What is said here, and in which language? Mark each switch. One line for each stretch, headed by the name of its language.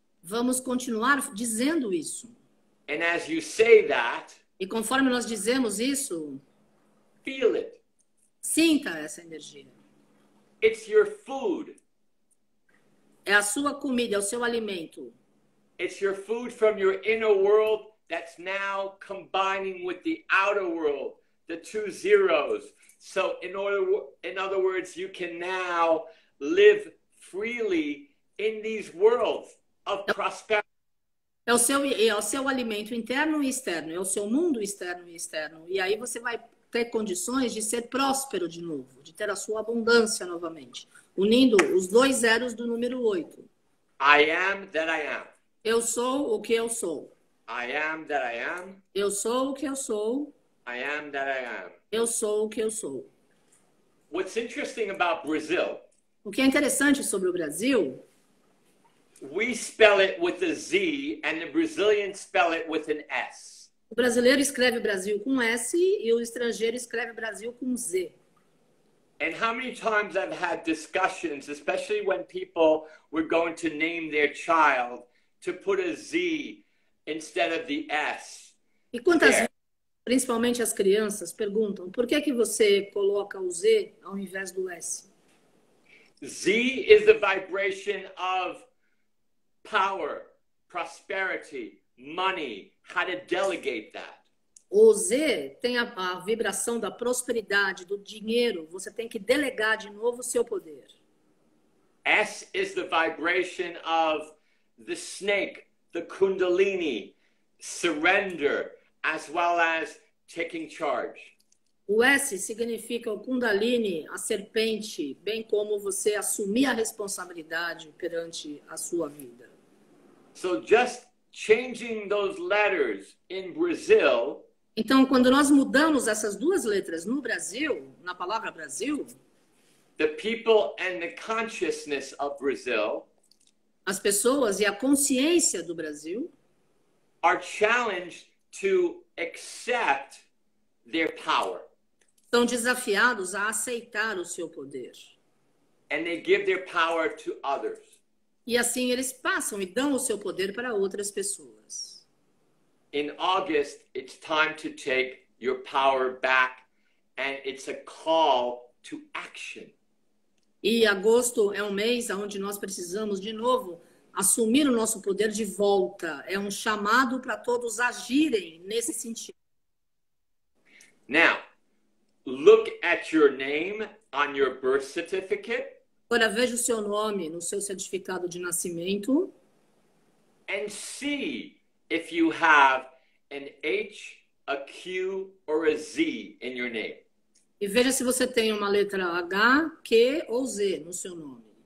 Portuguese: Vamos continuar dizendo isso.
English: And as you say that,
Portuguese: E conforme nós dizemos isso,
English: feel it.
Portuguese: sinta essa energia.
English: It's your food.
Portuguese: É a sua comida, é o seu alimento.
English: It's your food from your inner world that's now combining with the outer world, the two zeros. So in other words, you can now live freely in these worlds of prosperity.
Portuguese: É o seu alimento interno e externo, é o seu mundo externo e externo. E aí você vai ter condições de ser próspero de novo, de ter a sua abundância novamente, unindo os dois zeros do número 8.
English: I am that I am.
Portuguese: Eu sou o que eu sou.
English: I am that I am.
Portuguese: Eu sou o que eu sou.
English: I am that I am.
Portuguese: Eu sou o que eu sou.
English: What's interesting about Brazil?
Portuguese: O que é interessante sobre o Brasil?
English: We spell it with a Z and the Brazilians spell it with an S.
Portuguese: O brasileiro escreve Brasil com S e o estrangeiro escreve Brasil com Z.
English: And how many times I've had discussions, especially when people were going to name their child, to put a Z instead of the S
Portuguese: E quantas
English: there.
Portuguese: vezes, principalmente as crianças, perguntam por que é que você coloca o Z ao invés do S?
English: Z is the vibration of power, prosperity, money. How to delegate that?
Portuguese: O Z tem a vibração da prosperidade, do dinheiro. Você tem que delegar de novo o seu poder.
English: S is the vibration of the snake, the kundalini, surrender, as well as taking charge.
Portuguese: O S significa o Kundalini, a serpente, bem como você assumir a responsabilidade perante a sua vida.
English: So just changing those letters in Brazil,
Portuguese: Então, quando nós mudamos essas duas letras no Brasil, na palavra Brasil,
English: the people and the consciousness of Brazil
Portuguese: as pessoas e a consciência do Brasil
English: are challenged to accept their power.
Portuguese: estão desafiados a aceitar o seu poder.
English: And they give their power to others.
Portuguese: E assim eles passam e dão o seu poder para outras pessoas.
English: In August, it's time to take your power back, and it's a call to action.
Portuguese: E agosto é um mês onde nós precisamos de novo assumir o nosso poder de volta. É um chamado para todos agirem nesse sentido.
English: Now, look at your name on your birth certificate
Portuguese: Agora veja o seu nome no seu certificado de nascimento.
English: and see if you have an H, a Q or a Z in your name.
Portuguese: E veja se você tem uma letra H, Q ou Z no seu nome.